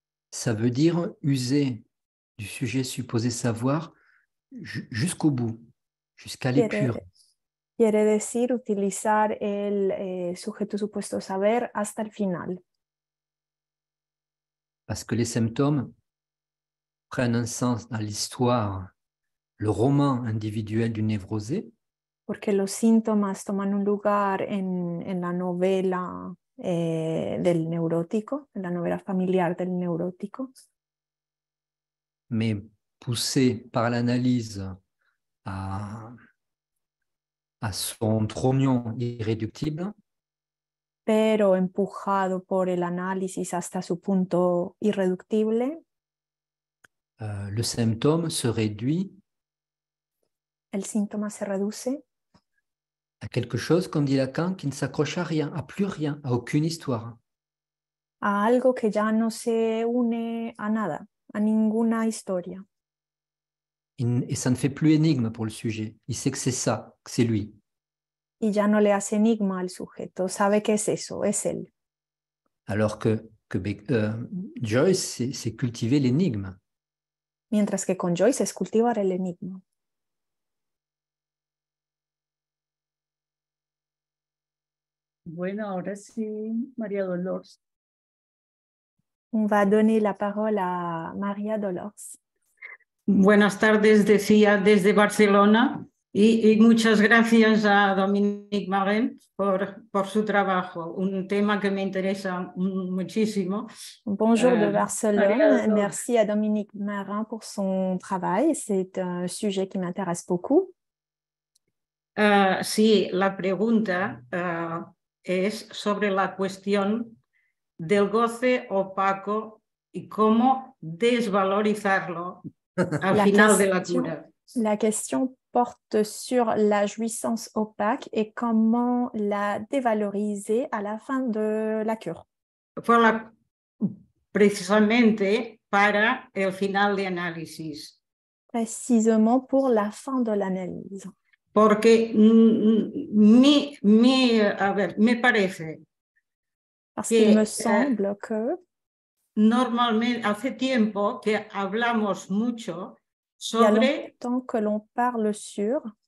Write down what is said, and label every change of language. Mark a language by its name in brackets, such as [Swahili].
[French] Ça veut dire user du sujet supposé savoir jusqu'au bout, jusqu'à l'épure. [Spanish] Quiere decir utilizar el sujeto supuesto saber hasta el final. [French] Parce que les symptômes prennent un sens dans l'histoire, le roman individuel du névrosé. [Spanish] Porque los síntomas toman un lugar en la novela del neurótico, en la novela familiar del neurótico. [French] Mais poussé par l'analyse à son trognon irréductible. [Spanish] Pero empujado por el análisis hasta su punto irreductible. [French] Le symptôme se réduit. [Spanish] El síntoma se reduce. [French] À quelque chose, comme dit Lacan, qui ne s'accroche à rien, à plus rien, à aucune histoire. [Spanish] A algo que ya no se une a nada, a ninguna historia. [French] Et ça ne fait plus énigme pour le sujet. Il sait que c'est ça, que c'est lui. [Spanish] Y ya no le hace enigma al sujeto, sabe que es eso, es él. [French] Alors que Joyce, c'est cultiver l'énigme. [Spanish] Mientras que con Joyce es cultivar el enigma. Bueno, ahora sí, María Dolores. [French] On va donner la parole a María Dolores. [Spanish] Buenas tardes, decía, desde Barcelona. Y muchas gracias a Dominique Marent por su trabajo, un tema que me interesa muchísimo. [French] Bonjour de Barcelone, merci à Dominique Marent pour son travail, c'est un sujet qui m'intéresse beaucoup. [Spanish] Sí, la pregunta es sobre la cuestión del goce opaco y cómo desvalorizarlo al final de la cura. [French] La question porte sur la jouissance opaque et comment la dévaloriser à la fin de la cure. Voilà, précisément pour le final de l'analyse. Précisément pour la fin de l'analyse. Parce que [Spanish] me parece. [French] Parce qu'il me semble que. Normalement, [Spanish] hace tiempo que hablamos mucho. [French] Il y a longtemps que l'on parle sur